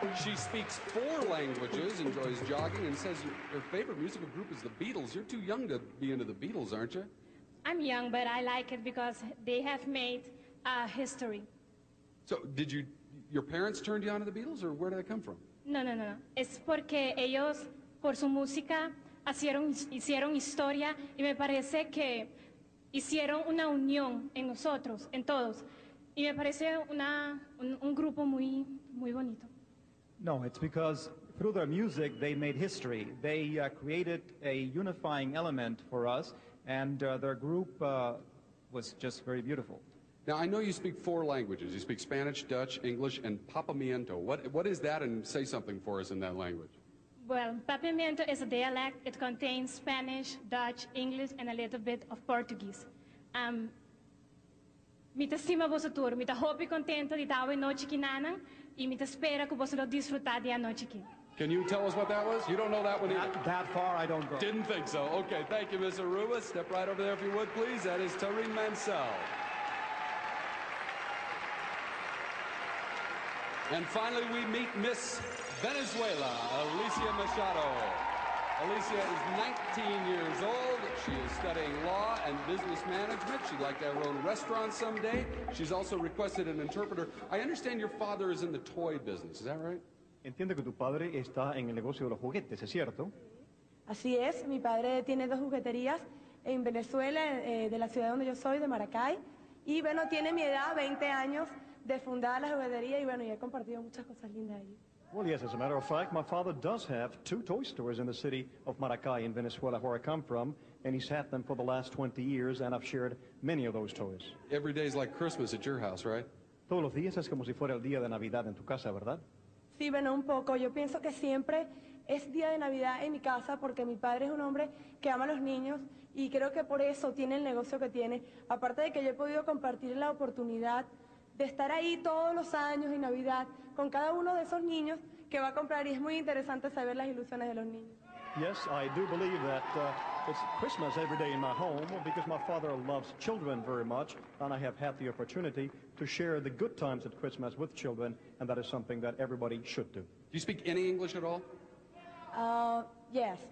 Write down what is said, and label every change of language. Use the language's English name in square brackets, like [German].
[English] She speaks four languages, enjoys jogging, and says her favorite musical group is the Beatles. You're too young to be into the Beatles, aren't you? I'm young, but I like it because they have made history. So did your parents turn you on to the Beatles, or where did that come from? No. [Spanish] Es porque ellos, por su música, hicieron historia, y me parece que hicieron una unión en nosotros, en todos. Y me parece un grupo muy, muy bonito. [English] No, it's because through their music, they made history. They created a unifying element for us. And their group was just very beautiful. Now, I know you speak four languages. You speak Spanish, Dutch, English, and Papamiento. What is that, and say something for us in that language? Well, Papamiento is a dialect. It contains Spanish, Dutch, English, and a little bit of Portuguese. [Papiamento] Mita estima vosso tour, mita hopi contento di tau e noche quinanan, y mita espera que vosso lo disfrutar di a noche quin. [English] Can you tell us what that was? You don't know that one either? That far, I don't go. Didn't think so. Okay, thank you, Ms. Aruba. Step right over there, if you would, please. That is Tareen Mansell. And finally, we meet Miss Venezuela, Alicia Machado. Alicia is 19 years old. She is studying law and business management. She'd like to have her own restaurant someday. She's also requested an interpreter. I understand your father is in the toy business. Is that right? [Spanish] Entiendo que tu padre está en el negocio de los juguetes, ¿es cierto? Así es, mi padre tiene dos jugueterías en Venezuela, de la ciudad donde yo soy, de Maracay. Y bueno, tiene mi edad, 20 años, de fundar la juguetería y bueno, y he compartido muchas cosas lindas allí. [English] Well, yes, as a matter of fact, my father does have two toy stores in the city of Maracay in Venezuela, where I come from, and he's had them for the last 20 years, and I've shared many of those toys. Every day is like Christmas at your house, right? [Spanish] Todos los días es como si fuera el día de Navidad en tu casa, ¿verdad? Sí, bueno, un poco. Yo pienso que siempre es día de Navidad en mi casa porque mi padre es un hombre que ama a los niños y creo que por eso tiene el negocio que tiene. Aparte de que yo he podido compartir la oportunidad de estar ahí todos los años en Navidad con cada uno de esos niños que va a comprar y es muy interesante saber las ilusiones de los niños. [English] Yes, I do believe that it's Christmas every day in my home because my father loves children very much and I have had the opportunity to share the good times at Christmas with children and that is something that everybody should do. Do you speak any English at all? Yes.